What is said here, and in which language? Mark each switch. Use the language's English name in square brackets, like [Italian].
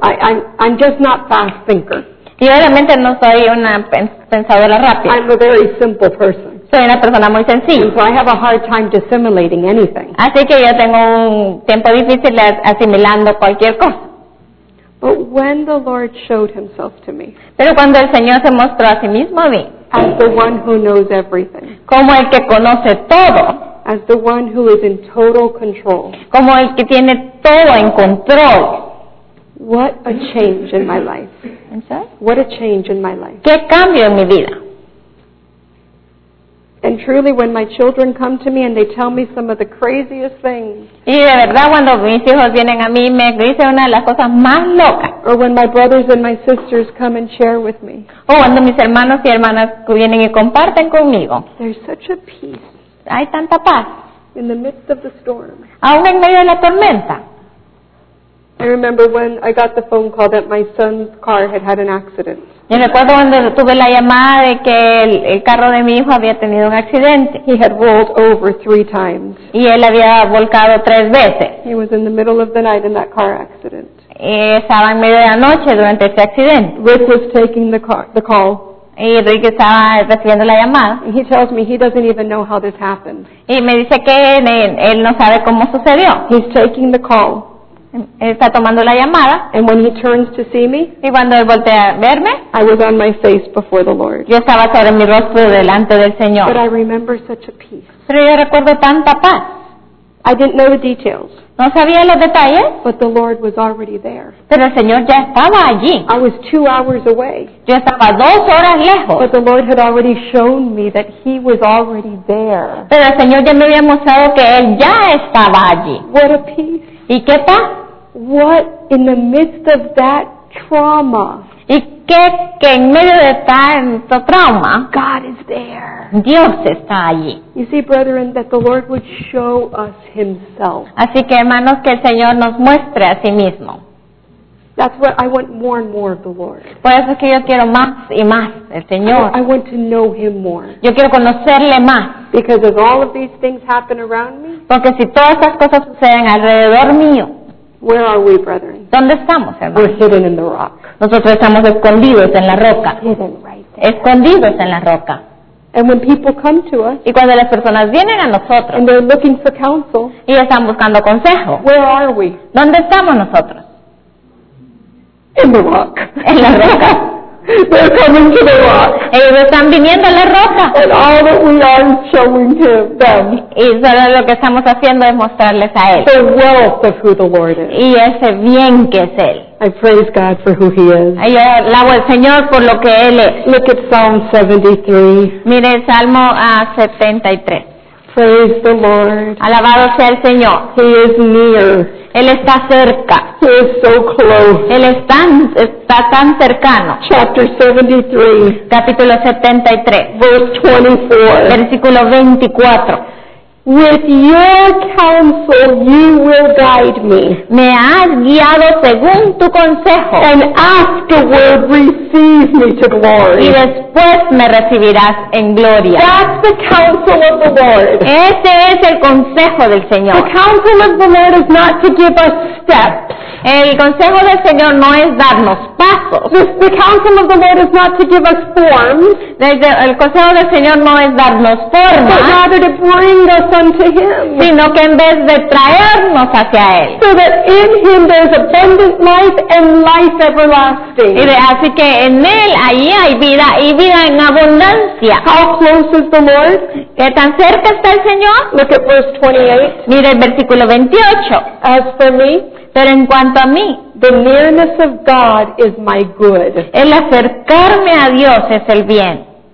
[English] I'm just not fast thinker. [Spanish] Yo realmente no soy una pensadora rápida. [English] I'm a very simple person. [Spanish] Soy una persona muy sencilla. [English] And so I have a hard time assimilating anything. [Spanish] Así que yo tengo un tiempo difícil asimilando cualquier cosa. [English] But when the Lord showed himself to me, [Spanish] pero cuando el Señor se mostró a sí mismo a mí, [English] as the one who knows everything, [Spanish] como el que conoce todo, [English] as the one who is in total control, [Spanish] como el que tiene todo en control, [English] what a change in my life. What a change in my life. [Spanish] ¿Qué cambio en mi vida? [English] And truly, when my children come to me and they tell me some of the craziest things, [Spanish] y de verdad, cuando mis hijos vienen a mí, me dicen una de las cosas más locas. [English] Or when my brothers and my sisters come and share with me, [Spanish] o cuando mis hermanos y hermanas vienen y comparten conmigo, [English] there's such a peace. [Spanish] Hay tanta paz. [English] In the midst of the storm. [Spanish] Aún en medio de la tormenta. [English] I remember when I got the phone call that my son's car had had an accident. [Spanish] Y recuerdo cuando tuve la llamada de que el carro de mi hijo había tenido un accidente. [English] He had rolled over 3 times. [Spanish] Y él había volcado 3 veces. [English] He was in the middle of the night in that car accident. [Spanish] Y estaba en medio de la noche durante ese accidente. [English] Rick was taking the call. [Spanish] Y Rick estaba recibiendo la llamada. [English] And he tells me he doesn't even know how this happened. [Spanish] Y me dice que él no sabe cómo sucedió. [English] He's taking the call. [Spanish] Está tomando la llamada. [English] And when he turns to see me, [Spanish] y cuando él voltea a verme, [English] I was on my face before the Lord. [Spanish] Yo estaba sobre mi rostro delante del Señor. [English] But I remember such a peace. [Spanish] Pero yo recuerdo tanta paz. [English] I didn't know the details. [Spanish] No sabía los detalles. [English] But the Lord was already there. [Spanish] Pero el Señor ya estaba allí. [English] I was 2 hours away. [Spanish] Yo estaba 2 horas lejos. [English] But the Lord had already shown me that He was already there. [Spanish] Pero el Señor ya me había mostrado que Él ya estaba allí. [English] What a peace. [Spanish] ¿Y qué pasa? [English] What in the midst of that trauma? [Spanish] ¿Y qué en medio de tanto trauma? [English] God is there. [Spanish] Dios está allí. [English] You see, brethren, that the Lord would show us Himself. [Spanish] Así que, hermanos, que el Señor nos muestre a sí mismo. [English] That's what I want more and more of the Lord. [Spanish] Por eso es que yo quiero más y más el Señor. [English] I want to know Him more. [Spanish] Yo quiero conocerle más. [English] Because if all of these things happen around me, [Spanish] porque si todas estas cosas suceden alrededor mío, [English] where are we, brethren? [Spanish] ¿Dónde estamos, hermanos? [English] We're hidden in the rock. [Spanish] Nosotros estamos escondidos en la roca. [English] Hidden right there. [Spanish] Escondidos en la roca. [English] And when people come to us, [Spanish] y cuando las personas vienen a nosotros, [English] and they're looking for counsel, [Spanish] y están buscando consejo, [English] where are we? [Spanish] ¿Dónde estamos nosotros? [English] In the rock. [Spanish] En la roca. [English] They're coming to the rock. [Spanish] Ellos están viniendo a la roca. [English] And all that we are showing to them. [Spanish] Y solo lo que estamos haciendo es mostrarles a Él. [English] The wealth of who the Lord is. [Spanish] Y ese bien que es Él. [English] I praise God for who He is. [Spanish] Y yo alabo al Señor por lo que Él es. [English] Look at Psalm 73. [Spanish] Mire el Salmo 73. [English] Praise the Lord. [Spanish] Alabado sea el Señor. [English] He is near. [Spanish] Él está cerca. [English] He is so close. [Spanish] Él está tan cercano. [English] Chapter 73. [Spanish] Capítulo 73. [English] Verse 24. [Spanish] Versículo 24. [English] With your counsel you will guide me. [Spanish] Me has guiado según tu consejo. [English] And afterward receive me to glory. [Spanish] Y después me recibirás en gloria. [English] That's the counsel of the Lord. [Spanish] Ese es el consejo del Señor. [English] The counsel of the Lord is not to give us steps. [Spanish] El consejo del Señor no es darnos pasos. [English] The counsel of the Lord is not to give us forms. [Spanish] El consejo del Señor no es darnos formas. [English] But rather to bring us unto Him. [Spanish] Sino que en vez de traernos hacia Él. [English] So that in Him there is abundant life and life everlasting. [Spanish] Y así que en Él ahí hay vida y vida en abundancia. [English] How close is the Lord? [Spanish] ¿Qué tan cerca está el Señor? [English] Look at verse 28. [Spanish] Mira el versículo 28. [English] As for me. [Spanish] Pero en cuanto a mí, [English] the nearness of God is my good. [Spanish] El acercarme a Dios es el bien.